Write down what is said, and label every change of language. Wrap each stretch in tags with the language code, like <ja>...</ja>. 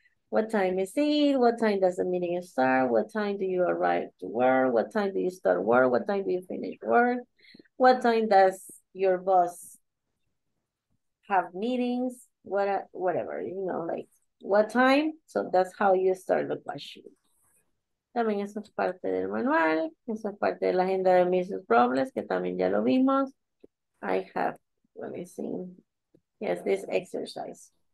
<en>What time is it? What time does the meeting start? What time do you arrive to work? What time do you start work? What time do you finish work? What time does your boss have meetings, whatever, you know, like, what time? So that's how you start the question.</en> <es>También eso es parte del manual, eso es parte de la agenda de Mrs. Robles, que también ya lo vimos.</es> <en>I have, let me see, yes, this exercise.</en>